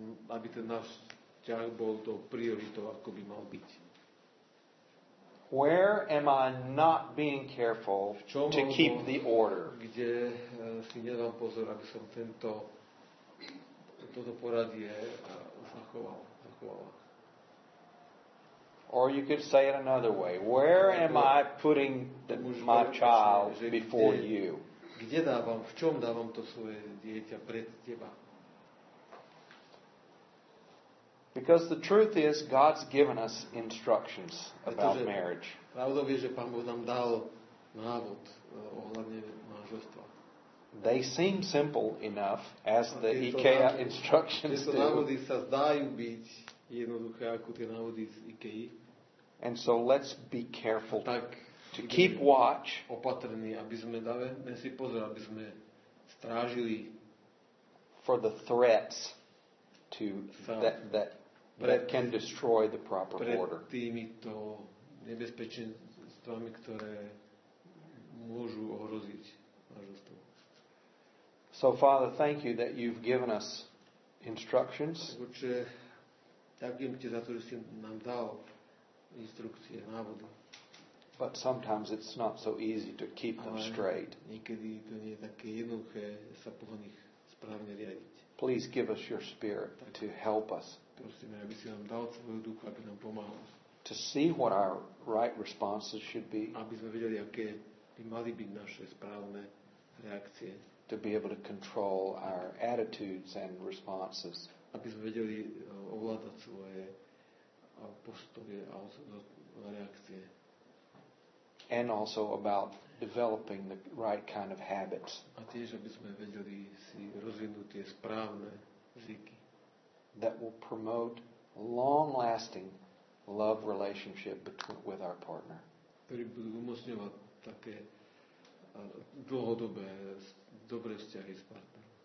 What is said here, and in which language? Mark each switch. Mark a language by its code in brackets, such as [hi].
[sk] Aby ten náš vzťah bol tou prioritou, ako by mal byť. [en] Where am I not being careful to keep the order? [sk] Kde si nedávam pozor, aby som toto poradie zachoval. [en] Or you could say it another way. Where am I putting my child before you? [sk] Kde dávam, v čom dávam to svoje dieťa pred teba? [en] Because the truth is, God's given us instructions about marriage. [sk] Pravdou je, že Pán Boh nám dal návod ohľadne manželstva. [en] They seem simple enough, as the IKEA instructions do. [sk] Tieto návody sa zdajú byť jednoduché, ako tie návody z IKEA. [en] And so let's be careful [sk] tak, [en] to keep watch. [sk] Opatrní, aby sme dali si pozor, aby sme strážili [en] for the threats to that can destroy the proper order. [sk] Pred týmito nebezpečenstvami, ktoré môžu ohroziť manželstvo. [en] So Father, thank you that you've given us instructions. [sk] Otče, ďakujem ti za to, že si nám dal instrukcie, návody. [en] But sometimes it's not so easy to keep them straight. [sk] Niekedy to nie je také jednoduché sa po nich správne riadiť. [en] Please give us your spirit to help us. [sk] Prosíme, aby si nám dal svoju duchu, aby nám pomáhal. [en] To see what our right responses should be. [sk] Aby sme vedeli, aké by mali byť naše správne reakcie. [en] To be able to control our attitudes and responses. [sk] Aby sme vedeli ovládať svoje postoje a reakcie. [en] And also about developing the right kind of habits. [sk] A tiež, aby sme vedeli si rozvinúť tie správne zvyky. [en] That will promote long-lasting love relationship between with our partner. [sk] Ktorý budú umocňovať také dlhodobé, dobré vzťahy s partnerom.